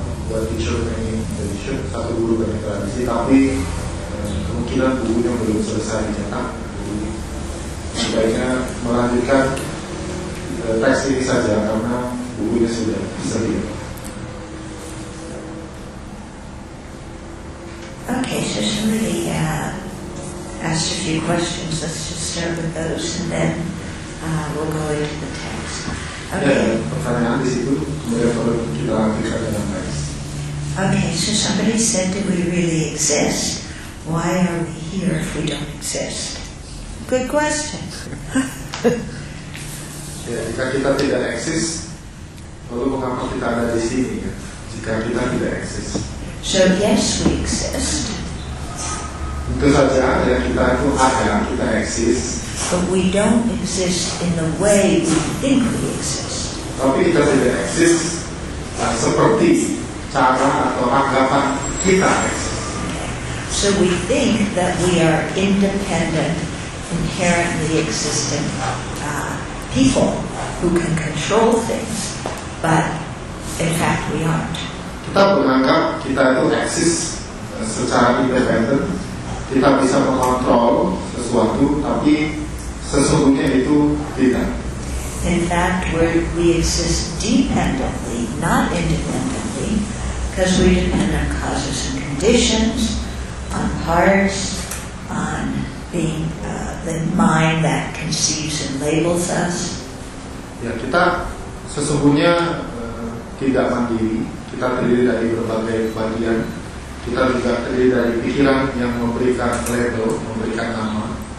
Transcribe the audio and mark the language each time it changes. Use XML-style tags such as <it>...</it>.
<id>Buat teacher ini, satu guru dari tradisi, tapi kemungkinan bukunya belum selesai dicetak. Sebaiknya melanjutkan teks ini saja, karena bukunya sudah bisa dia.</id> <en>Okay, so somebody asked a few questions. Let's just start with those, and then we'll go into the text. Okay.</en> <id>Pertanyaan di situ, kemudian kalau kita lanjutkan dengan teks.</id> <en>Okay, so somebody said, do we really exist? Why are we here if we don't exist? Good question.</en> <id>Ya, jika kita tidak eksis, lalu mengapa kita ada di sini? Ya? Jika kita tidak eksis.</id> <en>So, yes, we exist.</en> <id>Tentu saja, ya, kita itu ada, kita eksis.</id> <en>But we don't exist in the way we think we exist.</en> <id>Tapi kita tidak eksis seperti cara atau anggapan kita eksis.</id> <en>So, we think that we are independent, inherently existent people who can control things, but in fact we aren't.</en> <id>Kita menganggap kita itu eksis secara independen, kita bisa mengontrol sesuatu, tapi sesungguhnya itu tidak.</id> <en>In fact, we exist dependently, not independently, because we depend on causes and conditions, on parts, on being the mind that conceives and labels us.</en> <id>Ya, kita sesungguhnya tidak mandiri. Kita terdiri dari berbagai bagian. Kita juga terdiri dari pikiran yang memberikan label, memberikan nama.</id>